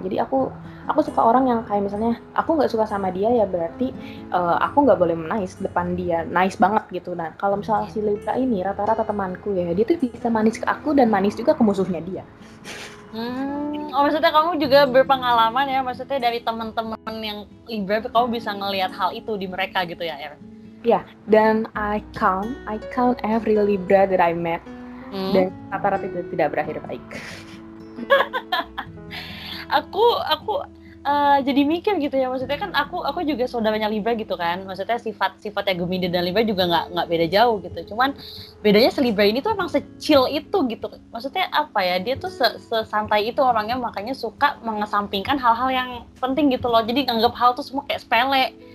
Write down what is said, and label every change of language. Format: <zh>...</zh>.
<id>Jadi aku suka orang yang kayak misalnya aku nggak suka sama dia ya berarti aku nggak boleh nice depan dia, nice banget gitu. Nah kalau misalnya si Libra ini rata-rata temanku ya, dia tuh bisa manis ke aku dan manis juga ke musuhnya dia. Maksudnya kamu juga berpengalaman ya, maksudnya dari teman-teman yang Libra kamu bisa ngelihat hal itu di mereka gitu ya, Er? Ya, dan</id> <en>I count every Libra that I met.</en> <id>Dan rata-rata itu tidak berakhir baik. aku jadi mikir gitu ya, maksudnya kan aku juga saudaranya Libra gitu kan, maksudnya sifat-sifatnya Gemini dan Libra juga nggak beda jauh gitu, cuman bedanya si Libra ini tuh emang secil itu gitu, maksudnya apa ya, dia tuh sesantai itu orangnya, makanya suka mengesampingkan hal-hal yang penting gitu loh, jadi nganggap hal tuh semua kayak sepele.</id>